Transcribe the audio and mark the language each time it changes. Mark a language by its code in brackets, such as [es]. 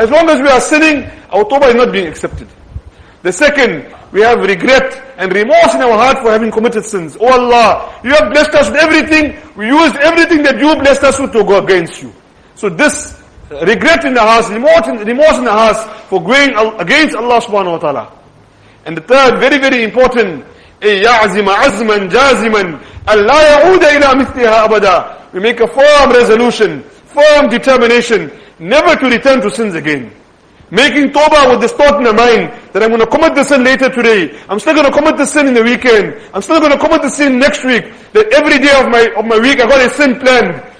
[en] As long as we are sinning, our Tawbah is not being accepted. The second, we have regret and remorse in our heart for having committed sins. Oh Allah, you have blessed us with everything. We used everything that you blessed us with to go against you. So this regret in the heart, remorse in the heart for going against Allah subhanahu wa ta'ala. And the third, very, very important, [ar] يَعْزِمَ عَزْمًا جَازِمًا أَلَّا يَعُودَ إِلَىٰ مِثْلِهَا أَبَدًا. [en] We make a firm resolution, firm determination, never to return to sins again. Making Tawbah with this thought in the mind, that I'm going to commit the sin later today, I'm still going to commit the sin in the weekend, I'm still going to commit the sin next week, that every day of my week I've got a sin planned.